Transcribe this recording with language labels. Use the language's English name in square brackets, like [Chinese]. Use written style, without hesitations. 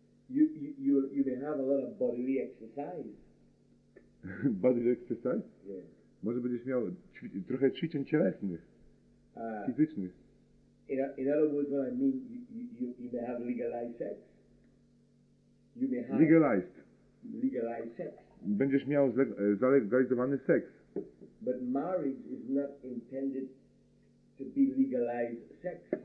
[English] You may have a lot of bodily exercise. Bodily exercise? Yes. [Polish] Może będziesz miał trochę ćwiczeń cielesnych, fizycznych. [English] In other words, what I mean, you may have legalized sex. You may have legalized sex. [Polish] Będziesz miał zalegalizowany seks. [English] But marriage is not intended to be legalized sex.